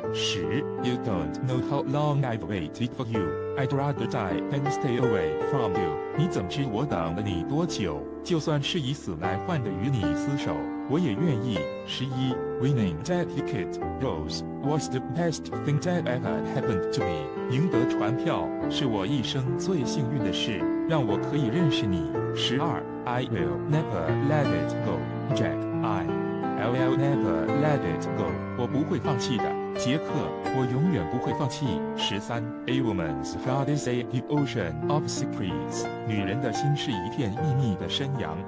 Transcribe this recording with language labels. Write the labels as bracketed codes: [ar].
[en] 十 You don't know how long I've waited for you, I'd rather die than stay away from you. [zh] 你怎知我等了你多久，就算是以死来换的与你厮守，我也愿意。 [en] 十一 Winning that ticket, Rose, was the best thing that ever happened to me. [zh] 赢得船票是我一生最幸运的事，让我可以认识你。 [en] 十二 I will never let it go, Jack, I will never let it go, [zh] 我不会放弃的。杰克，我永远不会放弃。十三 ， [en] A woman's heart is a deep ocean of secrets， [zh] 女人的心是一片秘密的深洋。